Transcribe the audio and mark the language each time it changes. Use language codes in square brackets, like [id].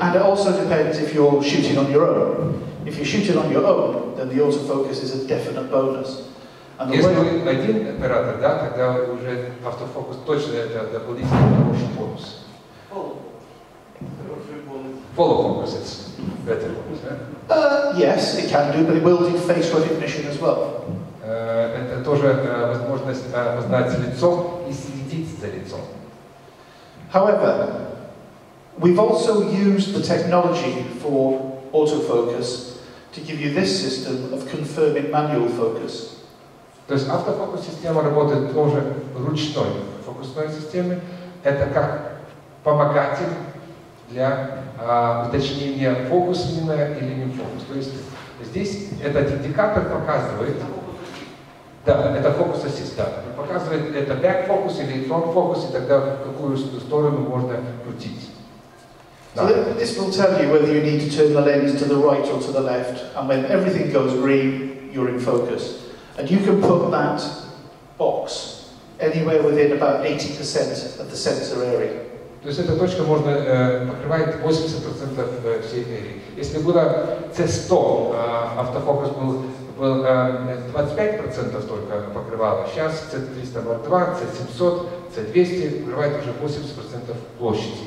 [en] And it also depends if you're shooting on your own. If you're shooting on your own, then the autofocus is a definite bonus. And the [ru] если [en] way... [ru] один оператор, да, тогда уже автофокус точно это дополнительный хороший бонус. [en] Follow. Follow focus, it's better focus, [ru] да? [en] Yes, it can do, but it will do face recognition as well. [ru] Это тоже возможность узнать лицо и следить за лицом. [en] However, we've also used the technology for autofocus to give you this system of confirming manual focus. [ru] То есть автофокус система работает тоже ручной фокусной системой. Это как помогатель для уточнения фокус именно или не фокус. То есть здесь этот индикатор показывает. Да, это фокус ассист, да. Показывает это back focus или front focus, и тогда в какую сторону можно крутить. [en] So this will tell you whether you need to turn the lens to the right or to the left, and when everything goes green, you're in focus. And you can put that box anywhere within about 80% of the sensor area. [ru] То есть эта точка можно покрывает 80% всей энергии. Если было C100, автофокус был 25% только покрывало. Сейчас C302, C700, C200 покрывает уже 80% площади.